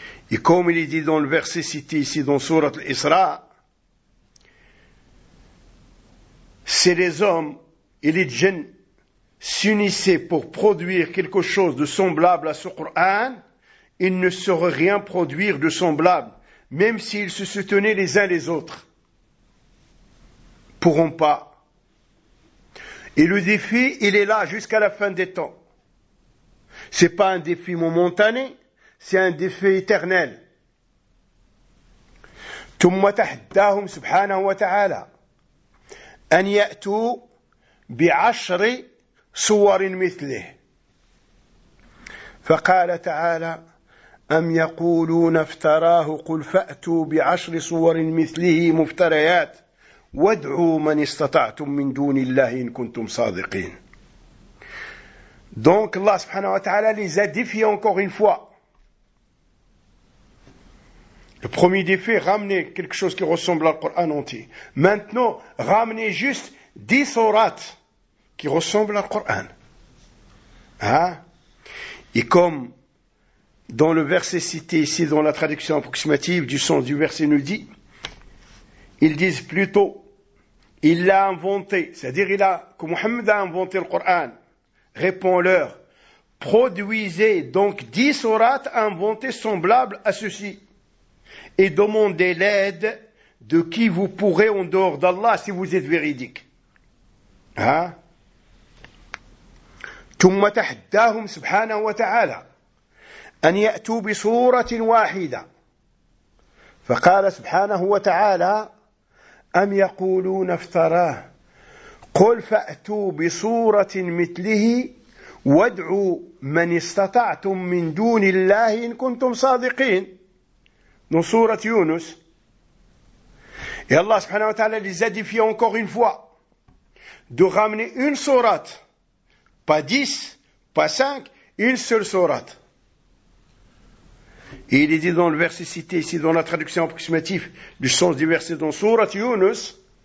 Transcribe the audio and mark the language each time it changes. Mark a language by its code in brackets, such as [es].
[fr] Et comme il est dit dans le verset cité ici dans Sourate l'Isra, si les hommes et les djinns s'unissaient pour produire quelque chose de semblable à ce Coran, ils ne sauraient rien produire de semblable, même s'ils se soutenaient les uns les autres. Pourront pas. Et le défi, il est là jusqu'à la fin des temps. C'est pas un défi momentané. C'est un défi éternel. [ar] ثم تحداهم سبحانه وتعالى أن يأتوا بعشر صور مثله. فقال تعالى: أم يقولون افتراه قل فأتوا بعشر صور مثله مفتريات وادعوا من استطعتم من دون الله إن كنتم صادقين. [fr] Donc [ar] الله سبحانه وتعالى [fr] les a défiés encore une fois. Le premier défi, ramener quelque chose qui ressemble au Coran entier. Maintenant, ramener juste 10 sourates qui ressemblent au Coran. Hein? Et comme dans le verset cité ici, dans la traduction approximative du sens du verset nous dit, ils disent plutôt, il l'a inventé, c'est-à-dire il a, que Mohammed a inventé le Coran. Répond-leur, produisez donc 10 sourates inventées semblables à ceci. Et demandez l'aide de qui vous pourrez en dehors d'Allah si vous êtes véridique. Hein? [ar] ثم تحداهم سبحانه وتعالى أن يأتوا بصورة واحدة. فقال سبحانه وتعالى: أم يقولون افتراه؟ قل فأتوا بصورة مثله وادعوا من استطعتم من دون الله إن كنتم صادقين. [fr] Dans Sourat Yunus. Et Allah subhanahu wa ta'ala les a défiés encore une fois de ramener une sourate, pas 10, pas 5, une seule sourate. Et il est dit dans le verset cité ici dans la traduction approximative du sens du verset dans Sourat Yunus.